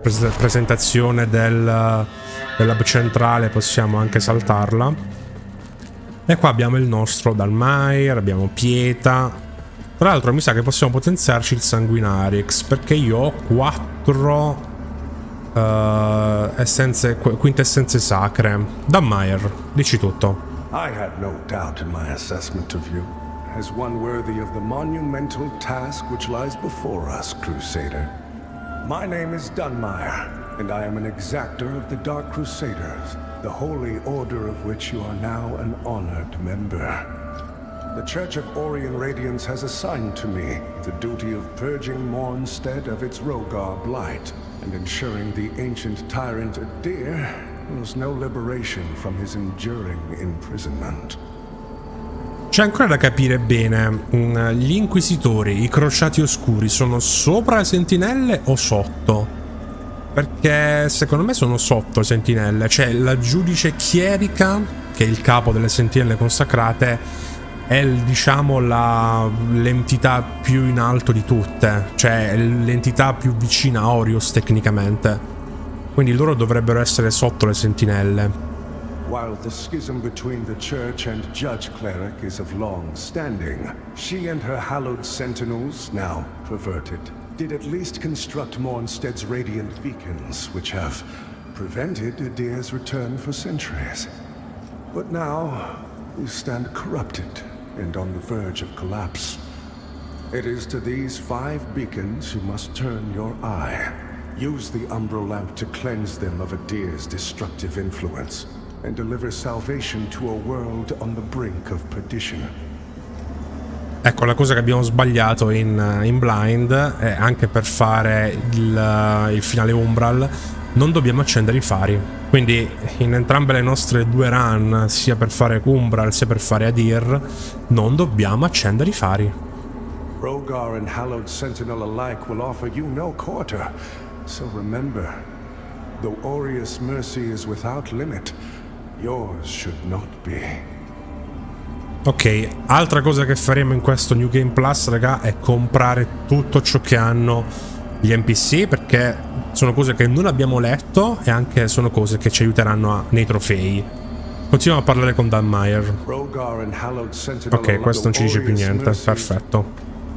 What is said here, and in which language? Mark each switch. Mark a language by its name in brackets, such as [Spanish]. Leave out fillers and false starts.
[Italian] presentazione della centrale, possiamo anche saltarla. E qua abbiamo il nostro Dalmair, abbiamo Pieta. Tra l'altro mi sa che possiamo potenziarci il Sanguinarix, perché io ho 4 essenze, quintessenze sacre. Dalmair, dici tutto. [English] I had no doubt in my assessment of you as one worthy of the monumental task which lies before us, Crusader. My name is Dunmire, and I am an exactor of the Dark Crusaders, the holy order of which you are now an honored member. The Church of Orion Radiance has assigned to me the duty of purging Mornstead of its Rogar blight, and ensuring the ancient tyrant Adir knows no liberation from his enduring imprisonment. [Italian] C'è ancora da capire bene, gli inquisitori, i crociati oscuri, sono sopra le sentinelle o sotto? Perché secondo me sono sotto le sentinelle, cioè la giudice chierica, che è il capo delle sentinelle consacrate, è diciamo l'entità più in alto di tutte, cioè l'entità più vicina a Orios tecnicamente, quindi loro dovrebbero essere sotto le sentinelle. [English] While the schism between the Church and Judge Cleric is of long standing, she and her hallowed sentinels, now perverted, did at least construct Mornstead's radiant beacons, which have prevented Adir's return for centuries. But now, we stand corrupted and on the verge of collapse. It is to these five beacons you must turn your eye. Use the Umbral Lamp to cleanse them of Adir's destructive influence, and deliver salvation to a world on the brink of perdition. [Italian] Ecco, la cosa che abbiamo sbagliato in Blind è anche per fare il finale Umbral, non dobbiamo accendere i fari. Quindi in entrambe le nostre due run, sia per fare Umbral sia per fare Adir, non dobbiamo accendere i fari. [English] Rogar and Hallowed Sentinel alike will offer you no quarter. So remember, though Aureus' mercy is without limit, yours should not be. [Italian] Ok, altra cosa che faremo in questo New Game Plus, raga, è comprare tutto ciò che hanno gli NPC, perché sono cose che non abbiamo letto e anche sono cose che ci aiuteranno nei trofei. Continuiamo a parlare con Dunmeyer. Ok, questo non ci dice più niente, perfetto.